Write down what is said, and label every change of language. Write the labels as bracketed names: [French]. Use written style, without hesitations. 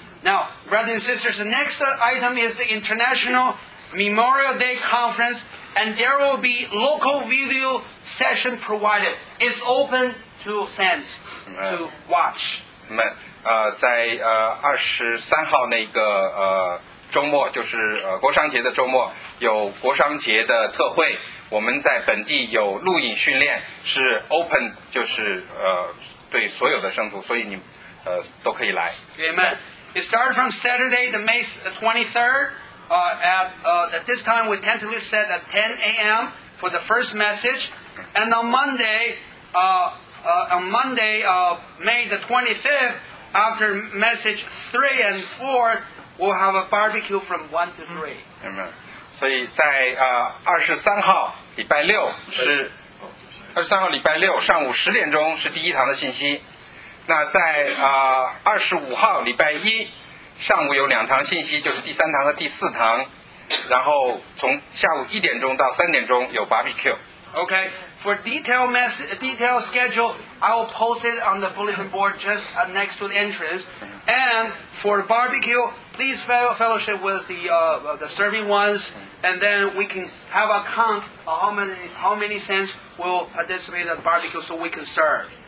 [English] Now, brothers and sisters, the next item is the International Memorial Day Conference, and there will be local video session provided. It's open to sense to watch. Amen. [Chinese] 在23号那个周末，就是国商节的周末，有国商节的特会，我们在本地有录影训练，是 open， 就是对所有的圣徒，所以你都可以来。 [English] Amen. It started from Saturday, the May 23rd, at this time we tentatively set at 10 a.m. for the first message, and on Monday, May the 25th. After message 3 and 4, we'll have a barbecue from 1 to 3. Amen. [Chinese] 所以在23号礼拜六是23号礼拜六上午10点钟是第一堂的信息。那在25号礼拜一上午有两堂信息，就是第三堂和第四堂。然后从下午1点钟到3点钟有 barbecue. [English] Okay. For detailed schedule, I will post it on the bulletin board just next to the entrance. And for barbecue, please fellowship with the serving ones, and then we can have a count of how many cents will participate in the barbecue so we can serve.